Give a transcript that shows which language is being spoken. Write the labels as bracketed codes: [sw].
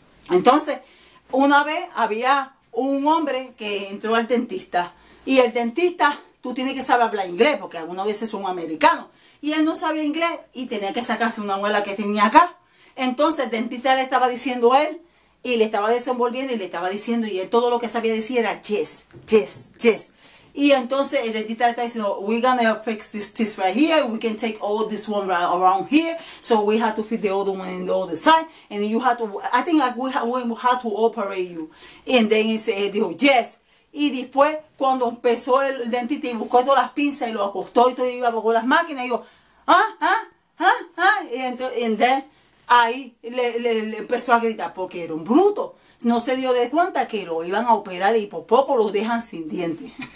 [es] Entonces, una vez había un hombre que entró al dentista y el dentista, tú tienes que saber hablar inglés, porque algunas veces son americanos. Y él no sabía inglés y tenía que sacarse una muela que tenía acá. Entonces el dentista le estaba diciendo a él y le estaba desenvolviendo y le estaba diciendo. Y él todo lo que sabía decir era [en] yes, yes, yes. [es] Y entonces el dentista le estaba diciendo, [en] we're gonna fix this teeth right here. We can take all this one right around here. So we have to fit the other one in the other side. And you have to, I think like we have to operate you. And then [es] él dijo, [en] yes. [es] Y después, cuando empezó el dentista y buscó todas las pinzas y lo acostó y todo, y iba con las máquinas, y yo, ah, ah, ah, ah. Y entonces, ahí le empezó a gritar porque era un bruto. No se dio de cuenta que lo iban a operar y por poco lo dejan sin dientes.